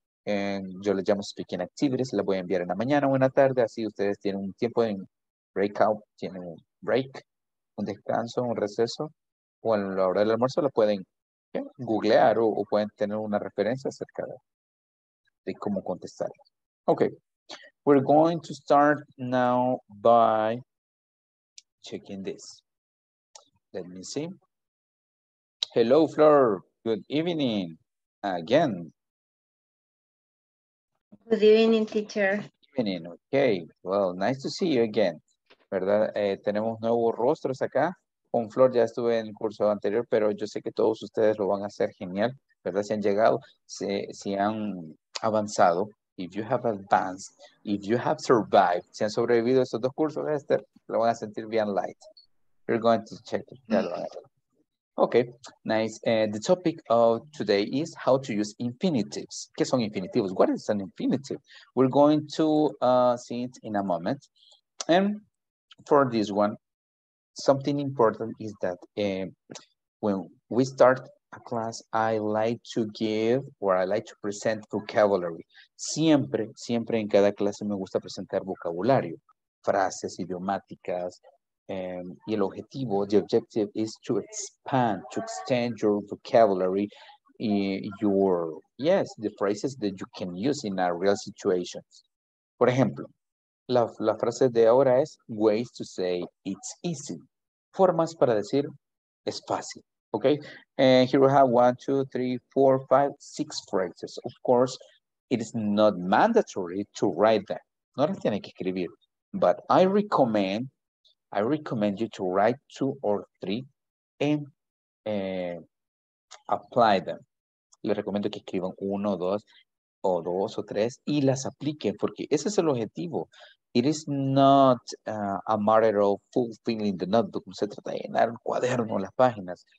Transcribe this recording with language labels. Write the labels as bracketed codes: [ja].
[es] Yo les llamo Speaking Activities, las voy a enviar en la mañana o en la tarde, así ustedes tienen un tiempo en breakout, tienen un break, un descanso, un receso, o a la hora del almuerzo la pueden googlear o pueden tener una referencia acerca de cómo contestar. Ok. [en] We're going to start now by checking this. Let me see. Hello, Flor. Good evening again. Good evening, teacher. Good evening. Okay. Well, nice to see you again. [es] ¿Verdad? Tenemos nuevos rostros acá. Con Flor ya estuve en el curso anterior, pero yo sé que todos ustedes lo van a hacer genial. ¿Verdad? Si han llegado, si han avanzado. [en] If you have advanced, if you have survived, [es] si han sobrevivido estos dos cursos, Esther, lo van a sentir bien light. [en] You're going to check it. Okay, nice. The topic of today is how to use infinitives. [es] ¿Qué son infinitivos? [en] What is an infinitive? We're going to see it in a moment. And for this one, something important is that when we start a class, I like to give or I like to present vocabulary. [es] Siempre, siempre en cada clase me gusta presentar vocabulario, frases idiomáticas. Y el objetivo, [en] the objective is to expand, to extend your vocabulary, your, yes, the phrases that you can use in a real situation. [es] Por ejemplo, la frase de ahora es [en] ways to say it's easy. [es] Formas para decir es fácil. [en] Okay, and here we have 1, 2, 3, 4, 5, 6 phrases. Of course, it is not mandatory to write them. [es] No las tiene que escribir. [en] But I recommend you to write 2 or 3 and apply them. [es] Les recomiendo que escriban 1, 2, o 2 o 3 y las apliquen porque ese es el objetivo. [en] It is not a matter of fulfilling the notebook. [es] No se trata de llenar el cuaderno, las páginas.